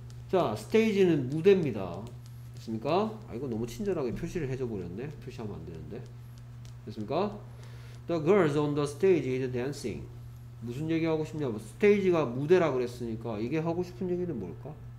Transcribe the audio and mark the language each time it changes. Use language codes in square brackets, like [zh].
[ko] 자, 스테이지는 무대입니다. 됐습니까? 아, 이거 너무 친절하게 표시를 해줘 버렸네. 표시하면 안 되는데. 됐습니까? [en] The girls on the stage is dancing. [ko] 무슨 얘기 하고 싶냐? 스테이지가 무대라 그랬으니까 이게 하고 싶은 얘기는 뭘까?